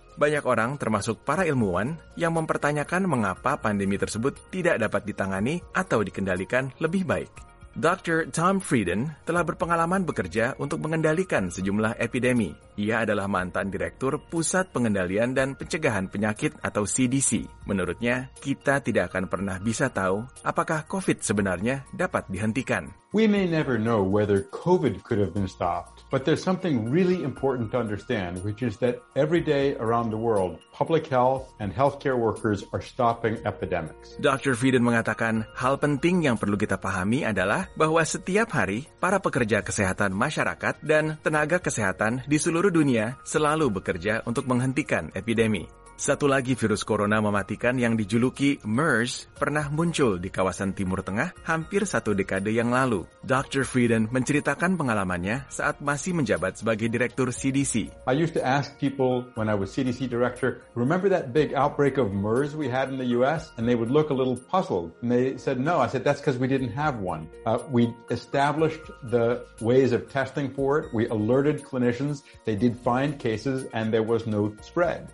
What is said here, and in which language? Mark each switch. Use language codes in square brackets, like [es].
[id] Banyak orang, termasuk para ilmuwan, yang mempertanyakan mengapa pandemi tersebut tidak dapat ditangani atau dikendalikan lebih baik. Dr. Tom Frieden telah berpengalaman bekerja untuk mengendalikan sejumlah epidemi. Ia adalah mantan Direktur Pusat Pengendalian dan Pencegahan Penyakit atau CDC. Menurutnya, kita tidak akan pernah bisa tahu apakah COVID sebenarnya dapat dihentikan. [en] We may never know whether COVID could have been stopped, but there's something really important to understand, which is that every day around the world, public health and healthcare workers are stopping epidemics. [id] Dr. Frieden mengatakan, hal penting yang perlu kita pahami adalah bahwa setiap hari, para pekerja kesehatan masyarakat dan tenaga kesehatan di seluruh dunia selalu bekerja untuk menghentikan epidemi. Satu lagi virus corona mematikan yang dijuluki MERS pernah muncul di kawasan Timur Tengah hampir satu dekade yang lalu. Dr. Frieden menceritakan pengalamannya saat masih menjabat sebagai direktur CDC. [en] I used to ask people when I was CDC director, remember that big outbreak of MERS we had in the US? And they would look a little puzzled. And they said, no, I said, that's because we didn't have one. We established the ways of testing for it. We alerted clinicians. They did find cases and there was no spread.